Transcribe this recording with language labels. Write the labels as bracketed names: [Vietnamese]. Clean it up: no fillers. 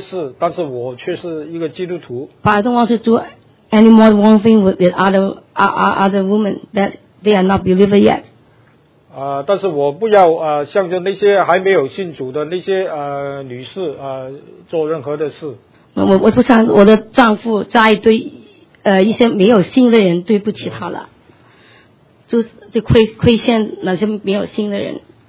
[Chinese] 因为他对我做错了一些事，但是我却是一个基督徒。 [English] But I don't want to do any more wrong thing with other women that they are not believers yet. [Chinese] 但是我不要向着那些还没有信主的那些女士做任何的事。我不想我的丈夫在对一些没有信的人对不起他了。就亏欠那些没有信的人。